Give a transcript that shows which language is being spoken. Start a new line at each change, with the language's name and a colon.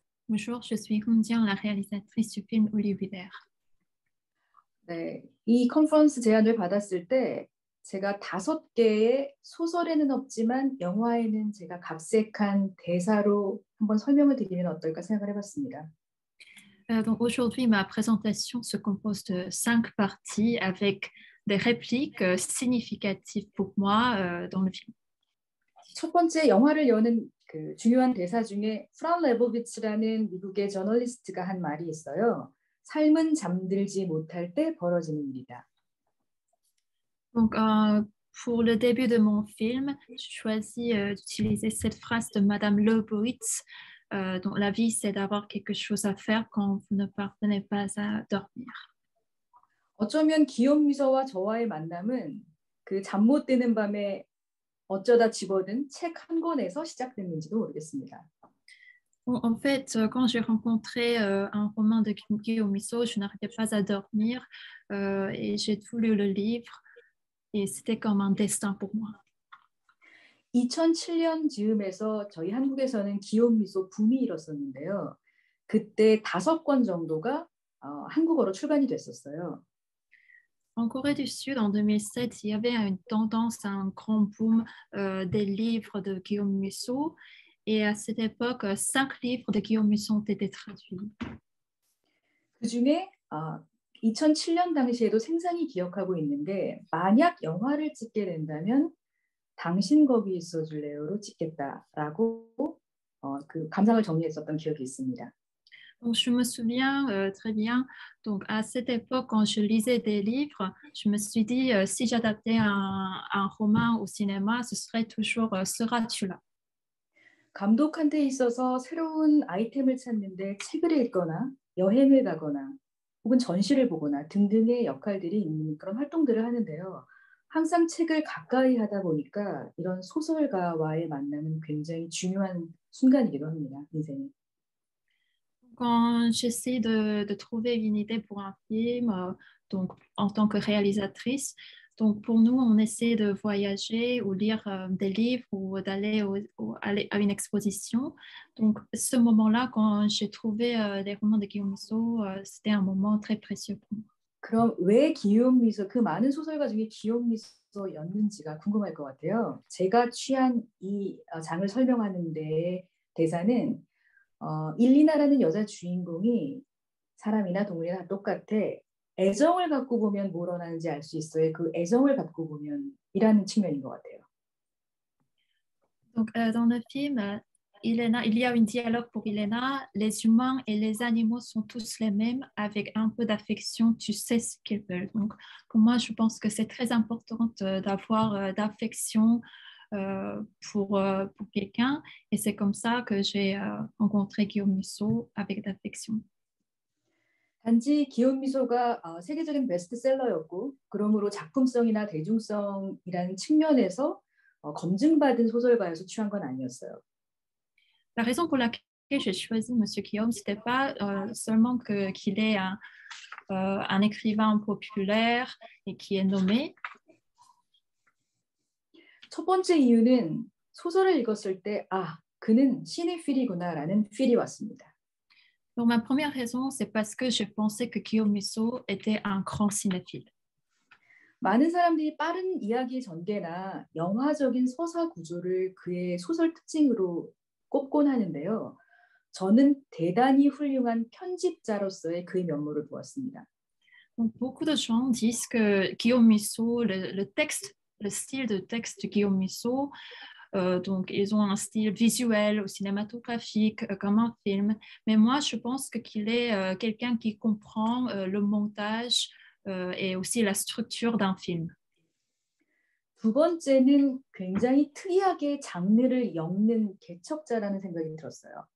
French: Bonjour, je suis Hong Ji-young, la réalisatrice du film Olivier.
Korean: 네, 이 컨퍼런스 제안을 받았을 때 제가 다섯 개의 소설에는 없지만 영화에는 제가 각색한 대사로 한번 설명을 드리면 어떨까 생각을 해봤습니다.
French: Donc aujourd'hui, ma présentation se compose de cinq parties avec des répliques significatives pour moi dans le film.
Korean: 첫 번째 영화를 여는 그 중요한 대사 중에 프란 레보비츠라는 미국의 저널리스트가 한 말이 있어요. 삶은 잠들지 못할 때 벌어지는 일이다.
French: Donc, pour le début de mon film, j'ai choisi d'utiliser cette phrase de Madame Leibowitz. Donc, la vie, c'est d'avoir quelque chose à faire quand vous ne parvenez pas à dormir.
Korean: 어쩌면 기억 미서와 저와의 만남은 그 잠 못 드는 밤에 어쩌다 집어든 책 한 권에서 시작됐는지도 모르겠습니다.
French: En fait, quand j'ai rencontré un roman de Guillaume Misso, je n'arrivais pas à dormir et j'ai voulu le livre. Et c'était comme un destin pour moi.
Korean: 2007년 즈음에서 저희 한국에서는 기욤 미소 붐이 일었었는데요. 그때 다섯 권 정도가 한국어로 출간이 됐었어요.
French: En Corée du Sud, en 2007, il y avait une tendance, un grand boom des livres de Guillaume Misso. Et à cette époque, 5 livres de Guillaume Musson ont été traduits.
Korean: 그 중에 2007년 당시에도 생생히 기억하고 있는데 만약 영화를 찍게 된다면 당신 거기 있어줄래요로 찍겠다라고 그 감상을 정리했었던 기억이 있습니다.
French: Donc, je me souviens très bien. Donc, à cette époque, quand je lisais des livres, je me suis dit si j'adaptais un roman au cinéma, ce serait toujours Seras-tu-là.
Korean: 감독한테 있어서 새로운 아이템을 찾는데 책을 읽거나 여행을 가거나 혹은 전시를 보거나 등등의 역할들이 있는 그런 활동들을 하는데요. 항상 책을 가까이 하다 보니까 이런 소설가와의 만남은 굉장히 중요한 순간이기도 합니다. 인생에.
French: Quand j'essaie de trouver une idée pour un film, donc en tant que réalisatrice, donc pour nous, on essaie de voyager ou lire des livres ou d'aller aller à une exposition. Donc ce moment-là, quand j'ai trouvé les romans de Guillaume Musso, c'était un moment très précieux pour moi.
Korean: 그럼 왜 기욤 미소, 그 많은 소설가 중에 기욤 미소였는지가 궁금할 것 같아요. 제가 취한 이 장을 설명하는 데 대사는 일리나라는 여자 주인공이 사람이나 동물이나 똑같아 애정을 갖고 보면 뭘 원하는지 알 수 있어요. 그 애정을 갖고 보면 이라는 측면인 것 같아요.
French: Donc dans le film, Elena, il y a un dialogue pour Elena. Les humains et les animaux sont tous les mêmes. Avec un peu d'affection, tu sais ce qu'ils veulent. Donc pour moi, je pense que c'est très important d'avoir d'affection. Pour quelqu'un et c'est comme ça que j'ai rencontré Guillaume Musso avec d'affection.
Korean: 단지 기욤 미소가 세계적인 베스트셀러였고 그러므로 작품성이나 대중성이라는 측면에서 검증받은 소설가여서 취한 건 아니었어요.
French: La raison pour laquelle j'ai choisi Monsieur Guillaume, c'était pas seulement que qu'il est un écrivain populaire et qui est nommé.
Korean: 첫 번째 이유는 소설을 읽었을 때 아, 그는 시네필이구나 라는 필이 왔습니다.
French: Donc ma première raison c'est parce que je pensais que Guillaume Musso était un grand cinéphile.
Korean: 많은 사람들이 빠른 이야기 전개나 영화적인 서사 구조를 그의 소설 특징으로 꼽곤 하는데요. 저는 대단히 훌륭한 편집자로서의 그의 면모를 보았습니다.
French: Donc beaucoup de gens disent que Guillaume Musso le texte le style de texte de Guillaume Musso. Donc, ils ont un style visuel ou cinématographique comme un film. Mais moi, je pense qu'il est quelqu'un qui comprend le montage et aussi la structure d'un film.
Korean: 두 번째는 굉장히 특이하게 장르를 엮는 개척자라는 생각이 들었어요.